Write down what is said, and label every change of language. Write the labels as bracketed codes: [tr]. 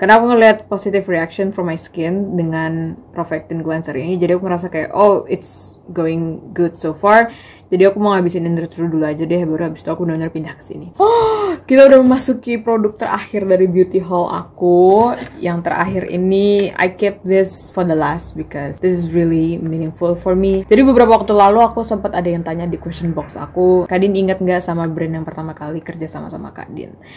[id] Karena aku ngeliat [en] positive reaction from my skin [id] dengan Rofectin Cleanser ini, jadi aku ngerasa kayak, oh, [en] it's going good so far. [id] Jadi aku mau ngabisin inner true dulu aja deh, baru habis itu aku bener-bener pindah ke sini. Oh, kita udah memasuki produk terakhir dari beauty haul aku. Yang terakhir ini, [en] I kept this for the last because this is really meaningful for me. [id] Jadi beberapa waktu lalu aku sempat ada yang tanya di question box aku, Kak Din ingat gak sama brand yang pertama kali kerja sama-sama Kak Din?